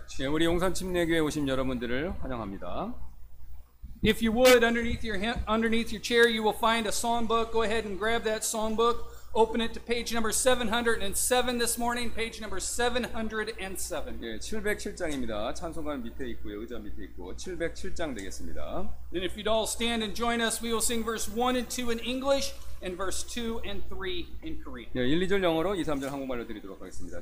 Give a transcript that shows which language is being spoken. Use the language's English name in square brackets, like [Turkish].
[Korean] 우리 용산 침례교회 오신 여러분들을 환영합니다. [English] If you would, underneath your chair, you will find a songbook. Go ahead and grab that songbook. Open it to page number 707 this morning. Page number 707. [Korean] 예, 707장입니다. 찬송가 밑에 있고요, 의자 밑에 있고 707장 되겠습니다. [English] And if you'd all stand and join us, we will sing verse 1 and 2 in English and verse 2 and 3 in Korean. [Korean] 예, 1, 2절 영어로, 2, 3절 한국말로 드리도록 하겠습니다.